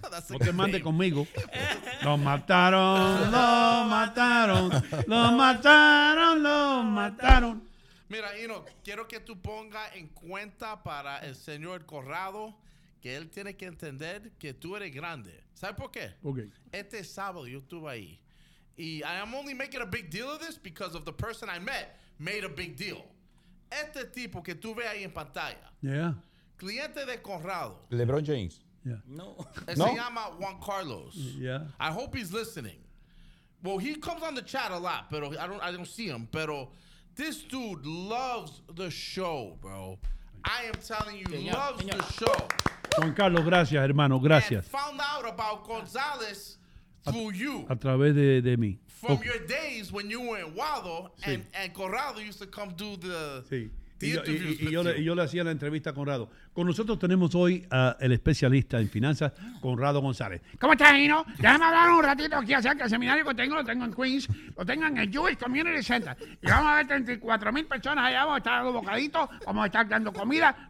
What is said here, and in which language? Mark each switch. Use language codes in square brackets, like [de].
[es] No te mandes conmigo. Lo mataron. Mira, Ino, quiero que tú ponga en cuenta para el señor Corrado que él tiene que entender que tú eres grande. ¿Sabes por qué? [en] Okay. [es] Este sábado yo estuve ahí. [en] Y I am only making a big deal of this because of the person I met made a big deal. [es] Este tipo que tú ves ahí en pantalla. [en] Yeah. [es] Cliente de Corrado. LeBron James. [en] Yeah. [es] No. Él no. Se llama Juan Carlos. [en] Yeah. I hope he's listening. Well, he comes on the chat a lot, [es] pero [en] I don't see him. [es] Pero [en] this dude loves the show, bro. I am telling you, loves the show. [es] Juan Carlos, gracias, hermano, gracias. [en] And found out about Gonzalez through you. [es] A través de mí. [en] From your days when you were in Wado, [es] sí. [en] And Corrado used to come do the interviews. [es] Y yo le hacía la entrevista a Corrado. Con nosotros tenemos hoy el especialista en finanzas, Conrado González. ¿Cómo estás, Gino? Déjame hablar un ratito aquí acerca del seminario que tengo. Lo tengo en Queens, lo tengo en el Jewish Community Center. Y vamos a ver 34,000 personas allá. Vamos a estar dando bocaditos, vamos a estar dando comida.